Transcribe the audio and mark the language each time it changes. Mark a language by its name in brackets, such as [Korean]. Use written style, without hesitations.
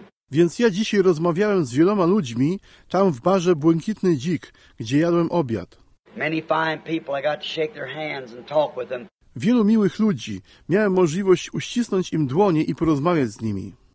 [Polish] Więc ja dzisiaj rozmawiałem z wieloma ludźmi tam w barze Błękitny Dzik, gdzie jadłem obiad. [English] Many fine people, I got to shake their hands and talk with them. [Polish] Wielu miłych ludzi. Miałem możliwość uścisnąć im dłonie i porozmawiać z nimi.